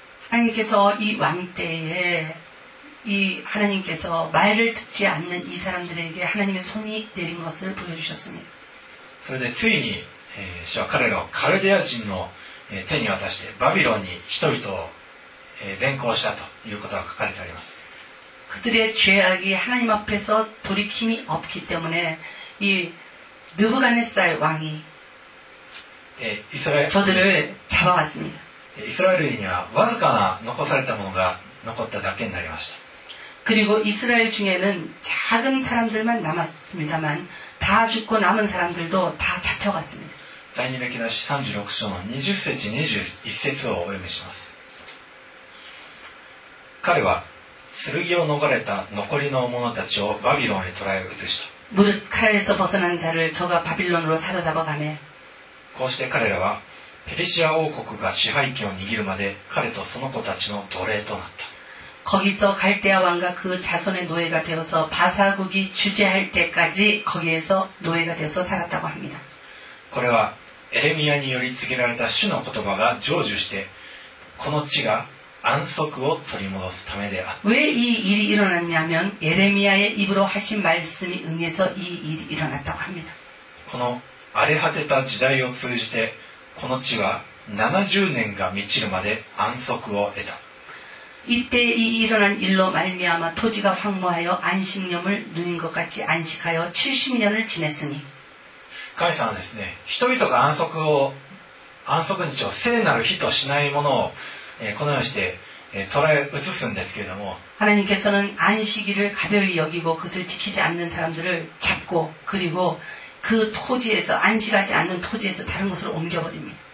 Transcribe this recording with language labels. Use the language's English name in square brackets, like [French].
[Korean] 하나님께서이왕때에이하나님께서말을듣지않는이사람들에게하나님의손이내린것을보여주셨습니다 [Japanese] それでついに、主は彼らをカルデア人の、手に渡してバビロンに人々を、連行したということが書かれてあります。 [Korean] 그들의죄악이하나님앞에서돌이킴이없기때문에이느부갓네살왕이 이스라엘 저들을잡아왔습니다 이스라엘인이야와 [Japanese] ずかな残されたものが残っただけになりました [Korean] 그리고이스라엘중에는작은사람들만남았습니다만다죽고남은사람들도다잡혀갔습니다 [Japanese] 第二歴代史36章の20節21節をお読みします。彼は剣を逃れた残りの者たちをバビロンへ捕らえ移した。 [Korean] 무릇칼에서벗어난자를저가바빌론으로사로잡아가매 [Japanese] こうして彼らはペルシア王国が支配権を握るまで彼とその子たちの奴隷となった。 [Korean] 거기서갈대아왕과그자손의노예가되어서바사국이주재할때까지거기에서노예가되어서살았다고합니다 [Japanese] これはエレミアにより告げられた主の言葉が成就してこの地が安息を取り戻すためである [Korean] 왜이일이일어났냐면エレミア의입으로하신말씀이응해서이일이일어났다고합니다 [Japanese] この荒れ果てた時代を通じてこの地は70年が満ちるまで安息を得た。 [Korean] 이때이일어난일로말미암아토지가황무하여안식년을누린것같이안식하여70년을지냈으니 [Japanese] 神様はですね、人々が安息日を聖なる日としないものをこのようにして捉え移すんですけれども、 [Korean] 하나님께서는안식일을가벼이여기고그것을지키지않는사람들을잡고그리고그토지에서안식하지않는토지에서다른곳으로옮겨버립니다